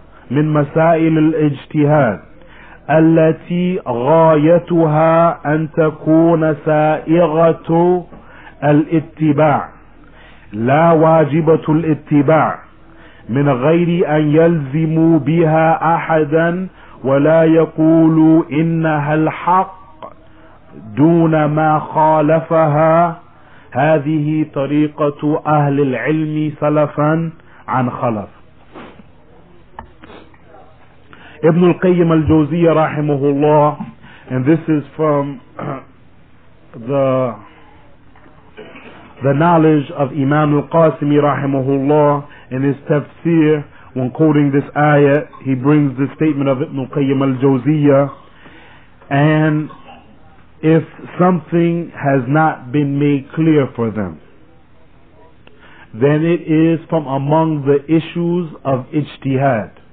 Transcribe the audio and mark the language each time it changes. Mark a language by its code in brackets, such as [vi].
[ar] مِنْ مَسَائِلِ الْإِجْتِهَادِ الَّتِي غَايَتُهَا أَنْ تَكُونَ سَائِغَةُ الْإِتِّبَاعِ لا واجبة الاتباع من غير أن يلزموا بها أحدا ولا يقولوا إنها الحق دون ما خالفها. هذه طريقة أهل العلم سلفا عن خلف. ابن القيم الجوزية رحمه الله, [en] and this is from the knowledge of Imam al-Qasimi rahimahullah. In his tafsir, when quoting this ayah, he brings the statement of Ibn al-Qayyim al-Jawziyyah, and if something has not been made clear for them, then it is from among the issues of ijtihad.